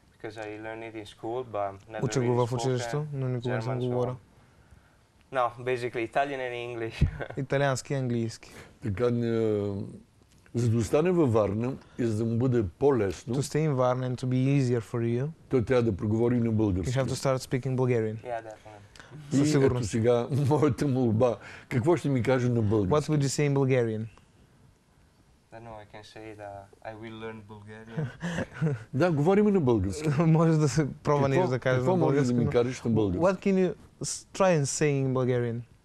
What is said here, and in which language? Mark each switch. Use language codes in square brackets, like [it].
[en] Because I learned it in school, but never. [bg] Уча го в училището, но никога не съм говорил. [en] No, basically Italian and English. [bg] Италиански и английски. Така не. За да остане във Варна и за да му бъде по-лесно. [en] To stay in Varna and to be easier for you. [bg] Той трябва да проговори на български. [en] You have to start speaking Bulgarian. Yeah, definitely. [bg] И сигурно. Ето сега моята молба. Какво ще ми каже на български? [en] What would you say in Bulgarian? I don't know, I can say that I will learn Bulgarian. [bg] Да, говорим на български. Може да се пробва нещо да кажеш на български. Какво може да ми кажеш на български? [en] What can you try and say in Bulgarian?